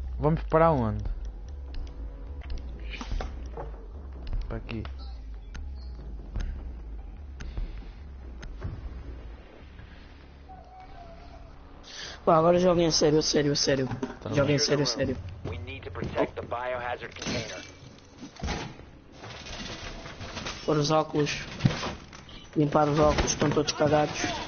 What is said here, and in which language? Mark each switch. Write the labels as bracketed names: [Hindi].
[Portuguese] Vamos para onde? Para aqui. Pá, agora joguem a sério, a sério, a sério. Então, joguem a sério, a sério. [English] We need to protect the biohazard container. [Portuguese] Pôr os óculos. Limpar os óculos, estão todos cagados.